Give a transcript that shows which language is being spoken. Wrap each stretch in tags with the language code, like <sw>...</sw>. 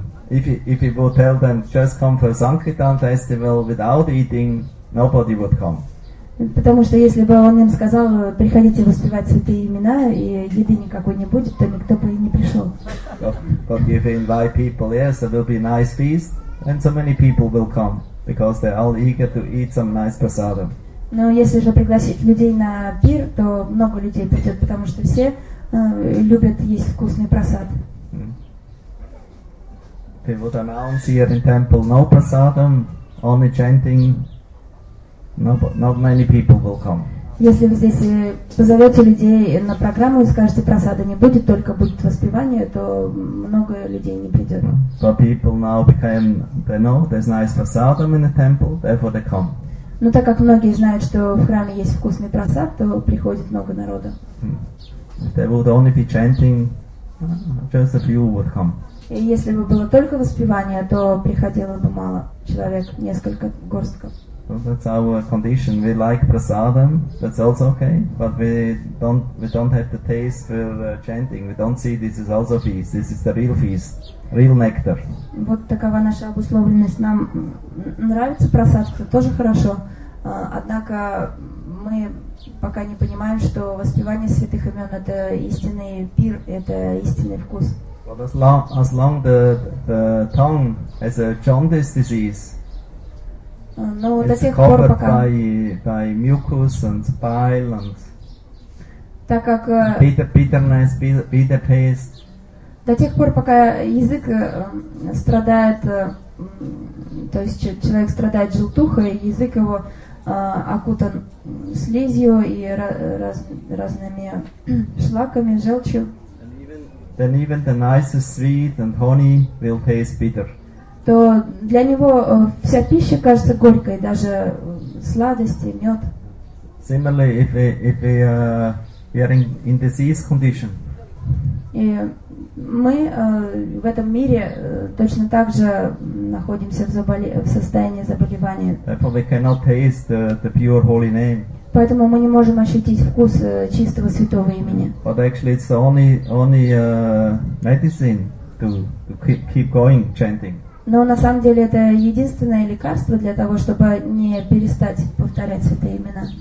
<en>If you would tell them just come for Sankirtan festival without eating, nobody would come.</en> <ru>Потому что если бы он им сказал, приходите воспевать святые имена, и еды никакой не будет, то никто бы и не пришел.</ru> <en>But if you invite people, yes, there will be a nice feast, and so many people will come. Because they're all eager to eat some nice prasada.</en> <ru>Но если же пригласить людей на пир, то много людей придет, потому что все любят есть вкусный прасад.</ru> <en>They would announce here in temple no prasadam, only chanting. Not many people will come.</en> <ru>Если вы здесь позовете людей на программу и скажете прасада не будет, только будет воспевание, то много людей не придет.</ru> <en>So people now became, they know there's nice prasadam in the temple, therefore they come.</en> <ru>Но так как многие знают, что в храме есть вкусный прасад, то приходит много народа.</ru> <en>They would only be chanting, just a few would come.</en> <ru>И если бы было только воспевание, то приходило бы мало человек, несколько горстков.</ru> <en>So that's our condition. We like prasadam, that's also okay, but we don't have the taste for chanting. We don't see this is also feast. This is the real feast, real nectar.</en> <ru>Вот такова наша обусловленность. Нам нравится прасад, это тоже хорошо. Однако мы пока не понимаем, что воспевание святых имен это истинный пир, это истинный вкус.</ru> <en>But as long the tongue has a jaundice disease.</en> <ru>Но</ru> <en>it's</en> <ru>до тех пор, пока</ru> <en>by mucus and bile and</en> <ru>так как</ru> <en>bitterness, bitter taste.</en> <ru>До тех пор, пока язык страдает, то есть человек страдает желтухой, язык его окутан слизью и разными шлаками, желчью.</ru> <en>Then even the nicest sweet and honey will taste bitter.</en> <ru>То для него вся пища кажется горькой, даже сладости, мед.</ru> <en>Similarly, if we are in disease condition.</en> <ru>И мы в этом мире точно так же находимся в состоянии заболевания.</ru> <en>Therefore, we cannot taste the pure holy name.</en> <ru>Поэтому мы не можем ощутить вкус чистого святого имени.</ru> <en>But actually, it's the only medicine to keep going chanting.</en> <ru>Но на самом деле это единственное лекарство для того, чтобы не перестать повторять святые имена.</ru>